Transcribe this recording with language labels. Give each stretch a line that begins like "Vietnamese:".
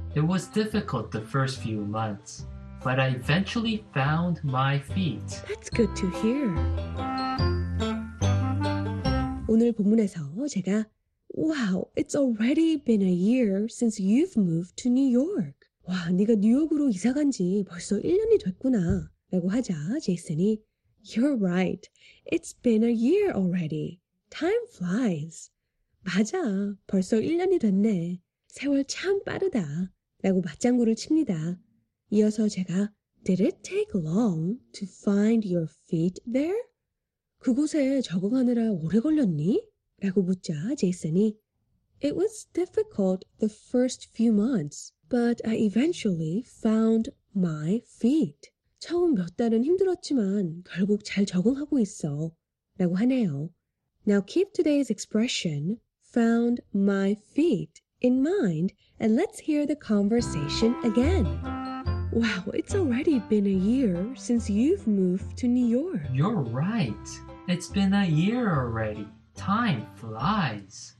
English: It was difficult the first few months, but I eventually found my feet. That's good to hear.
Korean: 오늘 본문에서 제가
English: Wow, it's already been a year since you've moved to New York.
Korean: 와, 네가 뉴욕으로 이사 간 지 벌써 1년이 됐구나. 라고 하자 제이슨이
English: You're right. It's been a year already. Time flies.
Korean: 맞아. 벌써 1년이 됐네. 세월 참 빠르다. 라고 맞장구를 칩니다. 이어서 제가
English: Did it take long to find your feet there?
Korean: 그곳에 적응하느라 오래 걸렸니? 라고 묻자 제이슨이
English: It was difficult the first few months, but I eventually found my feet.
Korean: 처음 몇 달은 힘들었지만 결국 잘 적응하고 있어 라고 하네요.
English: Now keep today's expression, found my feet, in mind, and let's hear the conversation again. Wow, it's already been a year since you've moved to New York. You're right. It's been a year already. Time flies.